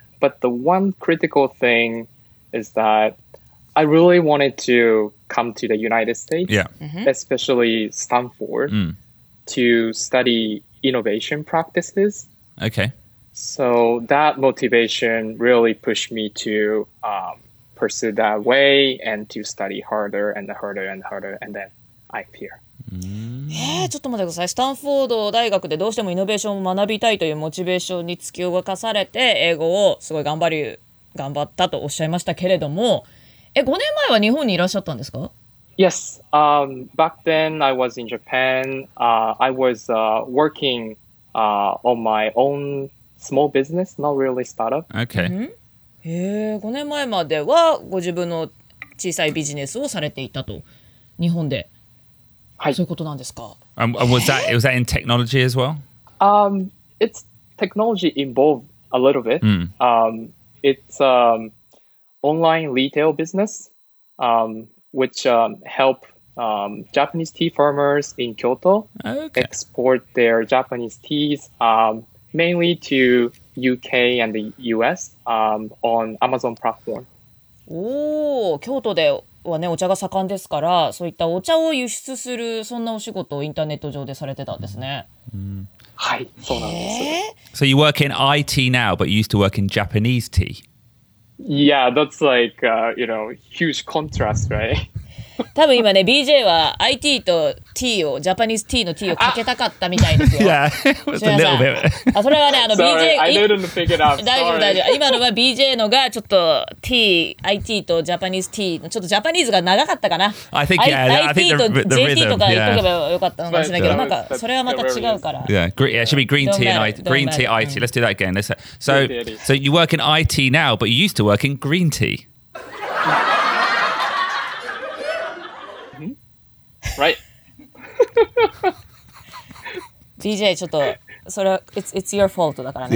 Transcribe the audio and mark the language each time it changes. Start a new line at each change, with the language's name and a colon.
English: But the one critical thing is that I really wanted to come to the United States, especially Stanford. To study innovation practices. Okay. So that motivation really pushed me to pursue that way and to study harder and harder and harder, and then I'm here.
Japanese: ちょっと待ってください。スタンフォード大学でどうしてもイノベーションを学びたいというモチベーションに突き動かされて英語をすごい頑張ったとおっしゃいましたけれども、5年前は日本にいらっしゃったんですか?
English: Yes, back then I was in Japan. I was working on my own small business, not really startup. Okay.
Japanese: へー、5年前まではご自分の小さいビジネスをされていたと、日本で。はい。そういうことなんですか。
English: Was that in technology as well? It's technology involved a little bit. It's online retail business. Which help Japanese tea farmers in Kyoto export their Japanese teas mainly to UK and the US on Amazon platform.
Japanese: Oh, Kyoto ではね、お茶が盛んですから、そういったお茶を輸出するそんなお仕事をインターネット上でされてたんですね。はい、そうなんです。
English: So you work in IT now, but you used to work in Japanese tea. Yeah, that's like, you know, huge contrast, right?
Japanese: 多分今ね、BJ は IT と T を、ジャパニーズ T の T をかけたかったみたいですよ。
English: Yeah, it was a little bit.
Japanese: あ、それはね、あの BJ…
English: Sorry, I didn't pick it up.
Japanese: 大丈夫、大丈夫。今のは BJ のがちょっと T、IT とジャパニーズ T のちょっとジャパニーズが長かったかな。
English: I think, yeah,
Japanese: IT と JT とか言っとけばよかったのかもしれないけど、なんかそれはまた違うから。
English: Yeah, it should be green tea and IT. Green tea, IT. Let's do that again. So you work in IT now, but you used to work in green tea. Right.
Japanese: DJ, ちょっとそれ
English: it's your fault
Japanese: だからね。